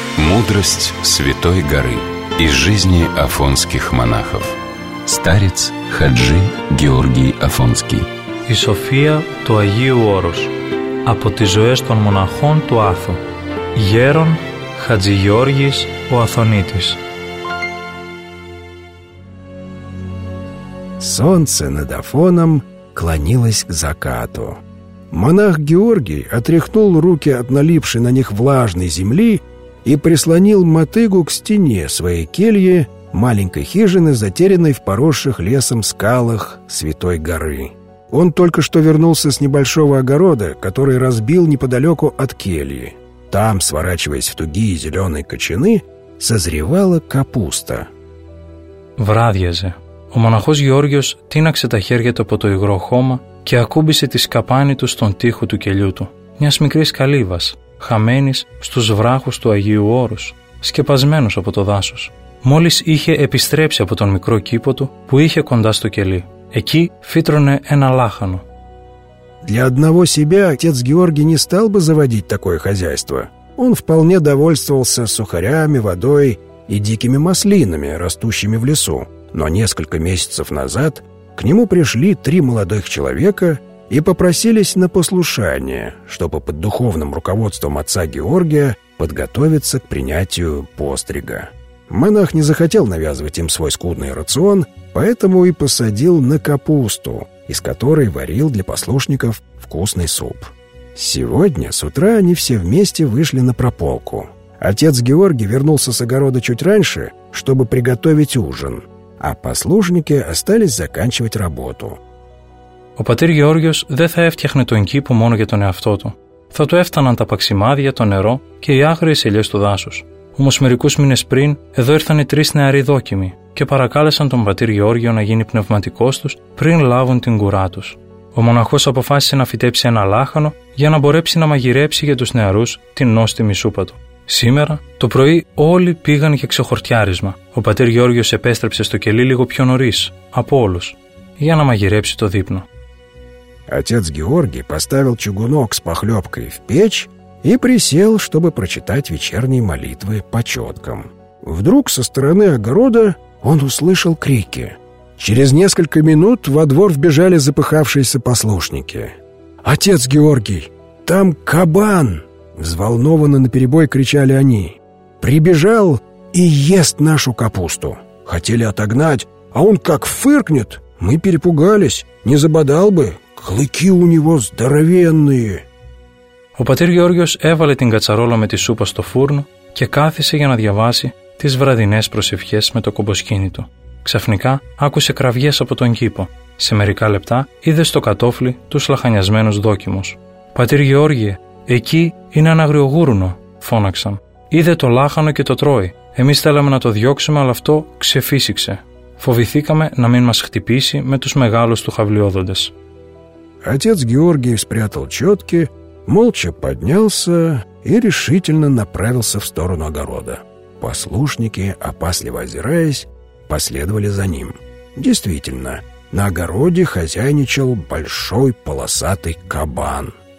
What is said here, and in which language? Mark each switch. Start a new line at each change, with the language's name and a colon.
Russian: Мудрость Святой Горы из жизни афонских монахов. Старец Хаджи Георгий Афонский.
Greek: И София του Агίου Όρος. Από τις ζωές των μοναχών του Άθου. Γέρον Χατζηγιώργης ο Αθωνίτης.
Russian: Солнце над Афоном клонилось к закату. Монах Георгий отряхнул руки от налипшей на них влажной земли и прислонил мотыгу к стене своей кельи, маленькой хижины, затерянной в поросших лесом скалах Святой Горы. Он только что вернулся с небольшого огорода, который разбил неподалеку от кельи. Там, сворачиваясь в тугие зеленые кочаны, созревала капуста.
Greek: Врадьезе. Ο μοναχός Γεώργιος τίναξε τα χέρια του από το υγρό χώμα και ακούμπησε τη σκαπάνη του στον τοίχο του κελιού του, μιας μικρής καλύβας, χαμένης στους βράχους του Αγίου Όρους, σκεπασμένος από το δάσος. Μόλις είχε επιστρέψει από τον μικρό κήπο του που είχε κοντά στο κελί, εκεί φύτρωνε ένα λάχανο.
Russian: Для одного себя отец Георгий не стал бы заводить такое хозяйство. Он вполне довольствовался сухарями, водой и дикими маслинами, растущими в лесу. Но несколько месяцев назад к нему пришли три молодых человека и попросились на послушание, чтобы под духовным руководством отца Георгия подготовиться к принятию пострига. Монах не захотел навязывать им свой скудный рацион, поэтому и посадил на капусту, из которой варил для послушников вкусный суп. Сегодня с утра они все вместе вышли на прополку. Отец Георгий вернулся с огорода чуть раньше, чтобы приготовить ужин. А послушники остались заканчивать работу.
Greek: Ο πατήρ Γεώργιος δεν θα έφτιαχνε τον κήπο μόνο για τον εαυτό του. Θα του έφταναν τα παξιμάδια, το νερό και οι άγριες ελιές του δάσους. Όμως μερικούς μήνες πριν, εδώ ήρθαν οι τρεις νεαροί δόκιμοι και παρακάλεσαν τον πατήρ Γεώργιο να γίνει πνευματικός τους πριν λάβουν την κουρά τους. Ο μοναχός αποφάσισε να φυτέψει ένα λάχανο για να μπορέσει να μαγειρέψει για τους νεαρούς την νόστιμη σούπα του. Σήμερα το πρωί όλοι πήγαν για ξεχορτιάρισμα. Ο πατήρ Γεώργιος επέστρεψε στο κελί λίγο πιο νωρίς, από όλους, για να μαγειρέψει το δείπνο.
Russian: Отец Георгий поставил чугунок с похлёбкой в печь и присел, чтобы прочитать вечерние молитвы по чёткам. Вдруг со стороны огорода он услышал крики. Через несколько минут во двор вбежали запыхавшиеся послушники. «Отец Георгий, там кабан!» Взволнованно наперебой кричали они. «Прибежал и ест нашу капусту! Хотели отогнать, а он как фыркнет! Мы перепугались, не забодал бы! Клыки у него здоровенные!»
Greek: Ο πατήρ Γεώργιος έβαλε την κατσαρόλα με τη σούπα στο φούρνο και κάθισε για να διαβάσει τις βραδινές προσευχές με το κομποσκήνι του. Ξαφνικά άκουσε κραυγές από τον κήπο. Σε μερικά λεπτά είδε στο κατόφλι τους λαχανιασμένους δόκιμους. «Πατήρ Γεώργιε, εκεί είναι ένα αγριογούρουνο», φώναξαν. «Είδε το λάχανο και το τρώει. Εμείς θέλαμε να το διώξουμε, αλλά αυτό ξεφύσηξε. Φοβηθήκαμε να μην μας χτυπήσει με τους μεγάλους του χαυλιόδοντες».
Russian: Отец Георгий спрятал чётки, молча поднялся и решительно направился в сторону огорода. Послушники, опасливо озираясь, последовали за ним. Действительно, на огороде хозяйничал большой полосатый кабан.